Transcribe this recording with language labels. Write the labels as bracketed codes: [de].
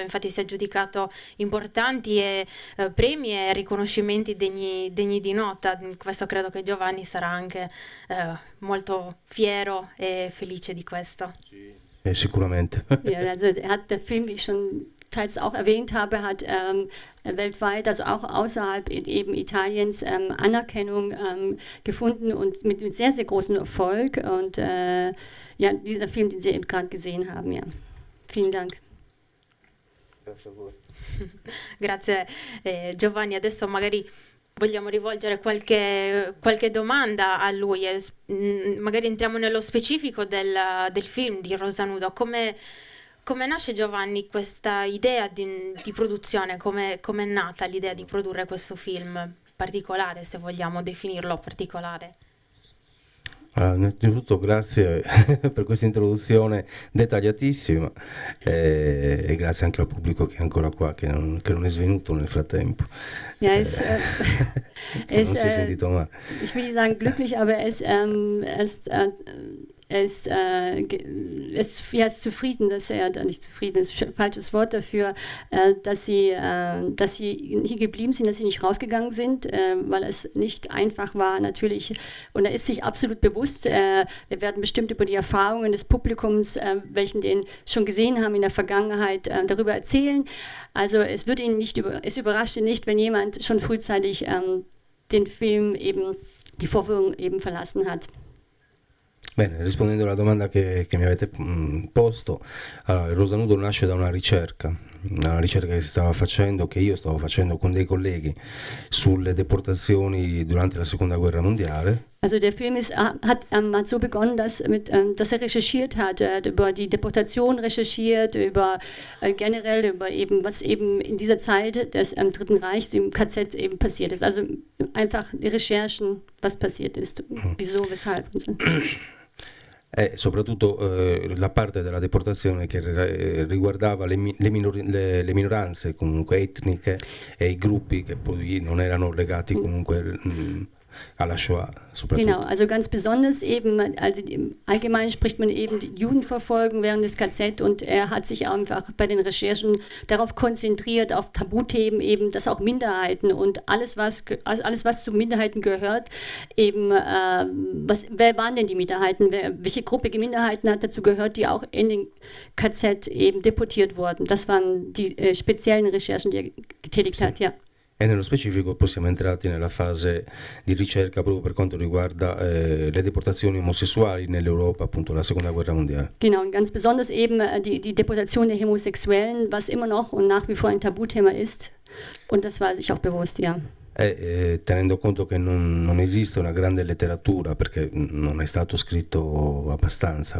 [it] Infatti si è aggiudicato importanti premi e riconoscimenti degni di nota. Questo credo che Giovanni sarà anche molto fiero e felice di questo. Sì, sicuramente. Il film, [de] wie ich schon teils auch erwähnt habe, hat weltweit, also auch außerhalb eben Italiens, Anerkennung gefunden und mit sehr, sehr großem Erfolg. Und ja, dieser Film, den Sie eben gerade gesehen haben, ja. Vielen Dank. [it] Grazie, Giovanni. Adesso magari Vogliamo rivolgere qualche domanda a lui e magari entriamo nello specifico del film di Rosa Nudo. Come nasce Giovanni questa idea di produzione? Come è nata l'idea di produrre questo film particolare, se vogliamo definirlo particolare? Innanzitutto grazie per questa introduzione dettagliatissima e grazie anche al pubblico che è ancora qua, che non è svenuto nel frattempo, che non si è sentito male. [de] Ich will nicht sagen glücklich, aber er ist zufrieden, dass er, nicht zufrieden, das ist ein falsches Wort dafür, dass sie hier geblieben sind, dass sie nicht rausgegangen sind, weil es nicht einfach war, natürlich. Und er ist sich absolut bewusst, wir werden bestimmt über die Erfahrungen des Publikums, welchen den schon gesehen haben in der Vergangenheit, darüber erzählen. Also es wird ihn nicht, es überrascht ihn nicht, wenn jemand schon frühzeitig den Film eben die Vorführung eben verlassen hat. [it] Bene, rispondendo alla domanda che mi avete posto, allora, il Rosa Nudo nasce da una ricerca che si stava facendo, che io stavo facendo con dei colleghi sulle deportazioni durante la Seconda Guerra Mondiale. [de] Also der Film hat so begonnen, dass er recherchiert hat, über die Deportation recherchiert, über generell über eben, was eben in dieser Zeit des Dritten Reichs im KZ eben passiert ist. Also einfach die Recherchen, was passiert ist, wieso, weshalb und so. [it] Soprattutto la parte della deportazione che riguardava le minoranze comunque etniche e i gruppi che poi non erano legati comunque alla Shoah, [de] Genau, [it] soprattutto. [de] also ganz besonders eben, also allgemein spricht man eben die Judenverfolgung während des KZ und er hat sich einfach bei den Recherchen darauf konzentriert, auf Tabuthemen eben, dass auch Minderheiten und alles was zu Minderheiten gehört, eben, wer waren denn die Minderheiten, welche Gruppe Minderheiten hat dazu gehört, die auch in den KZ eben deportiert wurden. Das waren die speziellen Recherchen, die er getätigt hat, ja. [it] E nello specifico poi siamo entrati nella fase di ricerca proprio per quanto riguarda le deportazioni omosessuali nell'Europa, appunto la Seconda Guerra Mondiale. [de] Genau, und ganz besonders eben die Deportation der Homosexuellen, was immer noch und nach wie vor ein Tabuthema ist. Und das war sich auch bewusst, ja. [it] Tenendo conto che non esiste una grande letteratura, perché non è stato scritto abbastanza